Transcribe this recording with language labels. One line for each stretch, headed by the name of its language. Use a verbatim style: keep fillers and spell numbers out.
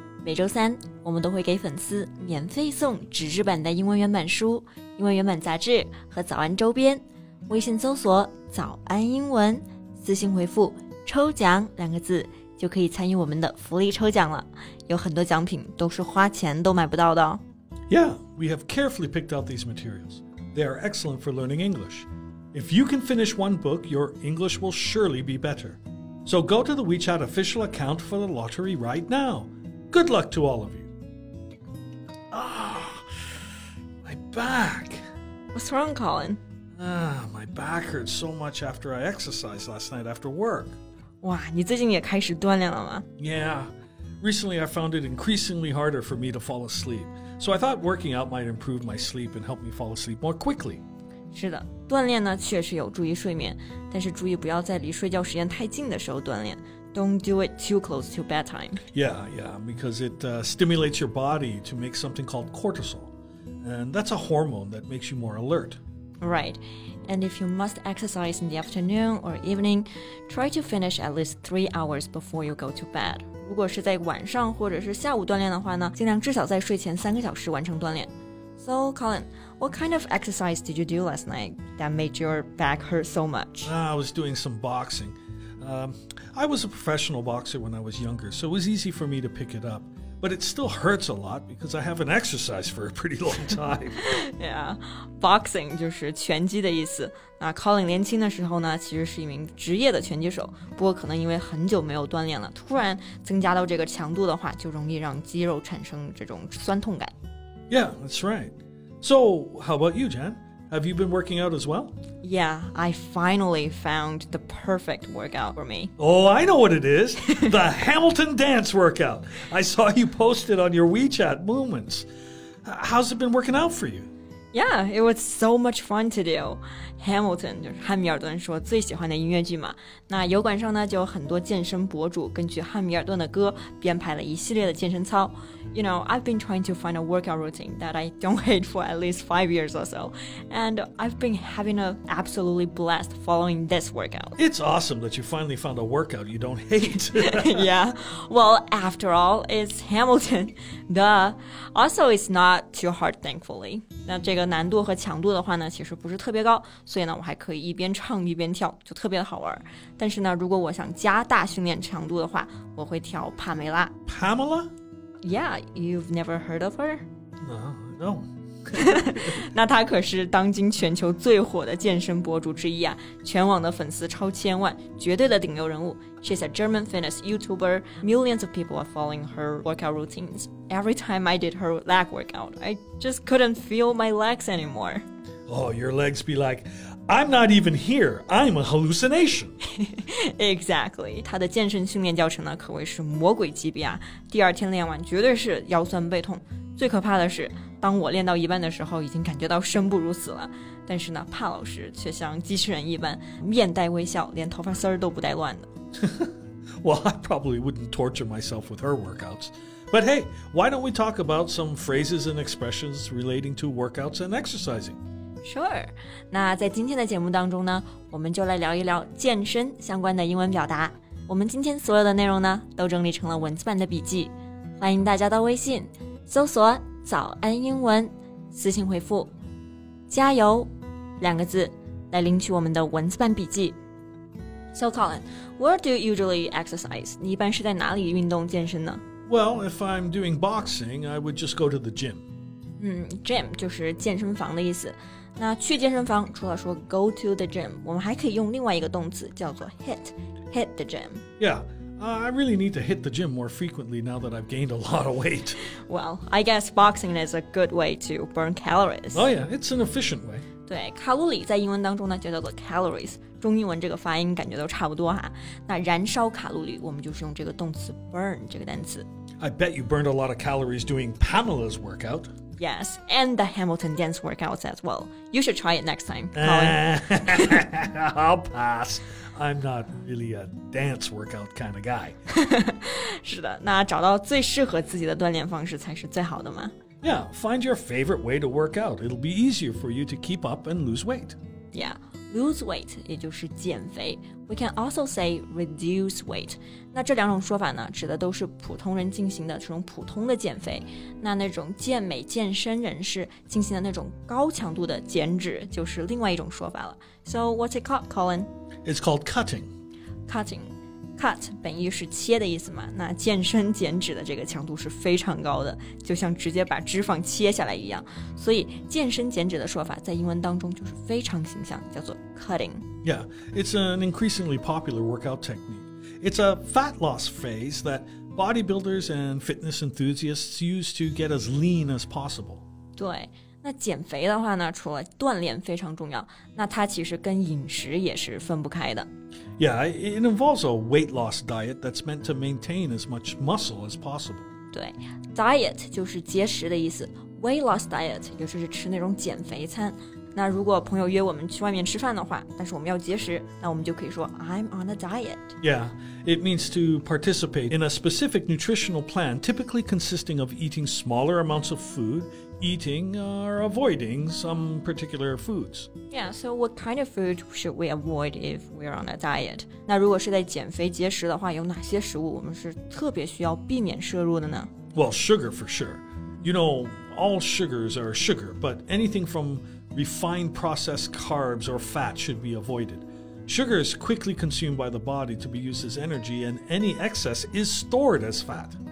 Chinese: 每周三，我们都会给粉丝免费送纸质版的英文原版书、英文原版杂志和早安周边。微信搜索“早安英文”，私信回复“抽奖”两个字，就可以参与我们的福利抽奖了。有很多奖品都是花钱都买不到的哦。
English: Yeah, we have carefully picked out these materials. They are excellent for learning English. If you can finish one book, your English will surely be better. So go to the WeChat official account for the lottery right now. Good luck to all of you. Ah, my back. What's wrong, Colin? Ah, my back hurts so much after I exercised last night after work.
Chinese: 哇，你最近也开始锻炼了吗？
English: Yeah. Recently, I found it increasingly harder for me to fall asleep. So I thought working out might improve my sleep and help me fall asleep more quickly.
Chinese: 是的，锻炼呢确实有助于睡眠，但是注意不要在离睡觉时间太近的时候锻炼。
English: Don't do it too close to bedtime. Yeah, yeah, because it uh, stimulates your body to make something called cortisol. And that's a hormone that makes you more alert. Right, and if you must exercise in the afternoon or evening, try to finish at least three hours before you go to bed.
Chinese: 如果是在晚上或者是下午锻炼的话呢，尽量至少在睡前三个小时完成锻炼。
English: So, Colin, what kind of exercise did you do last night that made your back hurt so much? I was doing some boxing. Um, I was a professional boxer when I was younger, so it was easy for me to pick it up. But it still hurts a lot because I haven't exercised for a pretty long time.
Chinese: Yeah, boxing 就是拳击的意思。那 Colin 年轻的时候呢，其实是一名职业的拳击手，不过可能因为很久没有锻炼了，突然增加到这个强度的话，就容易让肌肉产生这种酸痛感。
English: Yeah, that's right. So, how about you, Jan? Have you been working out as well? Yeah, I finally found the perfect workout for me. Oh, I know what it is. The Hamilton dance workout. I saw you post it on your WeChat movements. How's it been working out for you? Yeah, it was so much fun to do.
Chinese: Hamilton, 就是汉密尔顿是我最喜欢的音乐剧嘛。那油管上呢，就有很多健身博主根据汉密尔顿的歌编排了一系列的健身操。
English: You know, I've been trying to find a workout routine that I don't hate for at least five years or so. And I've been having an absolutely blast following this workout. It's awesome that you finally found a workout you don't hate. Yeah, well, after all, it's Hamilton. Duh. Also, it's not too hard, thankfully.
Chinese: 那这个难度和强度的话呢，其实不是特别高，所以呢，我还可以一边唱一边跳，就特别的好玩。但是呢，如果我想加大训练强度的话，我会跳帕梅拉。
English: Pamela? Yeah, you've never heard of her? No, no.
Chinese: 那她可是当今全球最火的健身博主之一啊，全网的粉丝超千万，绝对的顶流人物。
English: She's a German fitness YouTuber. Millions of people are following her workout routines. Every time I did her leg workout, I just couldn't feel my legs anymore. Oh, your legs be like... I'm not even here. I'm a hallucination. Exactly.
Chinese: 他的健身训练教程呢，可谓是魔鬼级别啊！第二天练完绝对是腰酸背痛。最可怕的是，当我练到一半的时候，已经感觉到生不如死了。但是呢，帕老师却像机器人一般，面带微笑，连头发丝儿都不带乱的。
English: Well, I probably wouldn't torture myself with her workouts. But hey, why don't we talk about some phrases and expressions relating to workouts and exercising? Sure.
Chinese: 那在今天的节目当中呢，我们就来聊一聊健身相关的英文表达。我们今天所有的内容呢，都整理成了文字版的笔记。欢迎大家到微信搜索“早安英文”，私信回复“加油”两个字来领取我们的文字版笔记。
English: So Colin, where do you usually exercise?
Chinese: 你一般是在哪里运动健身呢？
English: Well, if I'm doing boxing, I would just go to the gym.
Chinese: 嗯 ，gym 就是健身房的意思。那去健身房除了说
English: go to the gym
Chinese: 我们还可以用另外一个动词叫做
English: hit hit the gym Yeah, I really need to hit the gym more frequently now that I've gained a lot of weight Well, I guess boxing is a good way to burn calories Oh yeah, it's an efficient way
Chinese: 对，卡路里在英文当中呢就叫做 calories 中英文这个发音感觉都差不多哈。那燃烧卡路里我们就是用这个动词 burn 这个单词
English: I bet you burned a lot of calories doing Pamela's workout Yes, and the Hamilton dance workouts as well. You should try it next time, Colin. I'll pass. I'm not really a dance workout kind of guy.
Chinese: 是的，那找到最适合自己的锻炼方式才是最好的嘛。
English: Yeah, find your favorite way to work out. It'll be easier for you to keep up and lose weight. Yeah, lose weight
Chinese: 也就是减肥。
English: We can also say reduce weight.
Chinese: 那这两种说法呢，指的都是普通人进行的这种普通的减肥。那那种健美健身人士进行的那种高强度的减脂，就是另外一种说法了。
English: So what's it called, Colin? It's called cutting. Cutting.
Chinese: Cut 本意是切的意思嘛，那健身减脂的这个强度是非常高的，就像直接把脂肪切下来一样，所以健身减脂的说法在英文当中就是非常形象，叫做 cutting.
English: Yeah, it's an increasingly popular workout technique. It's a fat loss phase that bodybuilders and fitness enthusiasts use to get as lean as possible.
Chinese: 对，那减肥的话呢，除了锻炼非常重要，那它其实跟饮食也是分不开的。
English: Yeah, it involves a weight loss diet that's meant to maintain as much muscle as possible.
Chinese: 对 ,diet 就是节食的意思 ,weight loss diet 也就是吃那种减肥餐。那如果朋友约我们去外面吃饭的话，但是我们要节食，那我们就可以说
English: I'm on a diet. Yeah, it means to participate in a specific nutritional plan typically consisting of eating smaller amounts of food, eating or avoiding some particular foods. Yeah, so what kind of food should we avoid if we're on a diet?
Chinese: 那如果是在减肥节食的话，有哪些食物我们是特别需要避免摄入的呢？
English: Well, sugar for sure. You know, all sugars are sugar, but anything from... Refined processed carbs or fat should be avoided. Sugar is quickly consumed by the body to be used as energy, and any excess is stored as fat.